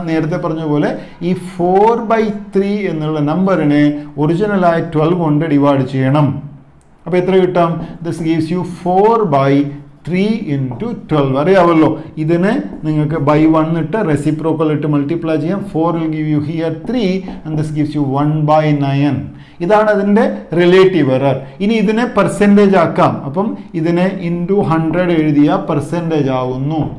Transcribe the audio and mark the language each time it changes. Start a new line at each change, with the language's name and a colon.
Malayalam: നേരത്തെ പറഞ്ഞ പോലെ ഈ 4/3 എന്നുള്ള നമ്പറിനെ ഒറിജിനലായ 12 കൊണ്ട് ഡിവൈഡ് ചെയ്യണം. അപ്പോൾ എത്ര കിട്ടാം?
English: This gives you 4/3 × 12.
Malayalam: അറിയാവല്ലോ, ഇതിനെ നിങ്ങൾക്ക് ബൈ 1 ഇട്ട് റെസിപ്രോക്കൽ ഇട്ട് മൾട്ടിപ്ലൈ ചെയ്യാം.
English: 4 will give you here 3 and this gives you 1/9.
Malayalam: ഇതാണ് അതിൻ്റെ റിലേറ്റീവ് എറർ. ഇനി ഇതിനെ പെർസെൻറ്റേജ് ആക്കാം. അപ്പം ഇതിനെ ഇൻറ്റു 100 എഴുതിയാൽ പെർസെൻറ്റേജ് ആവുന്നു.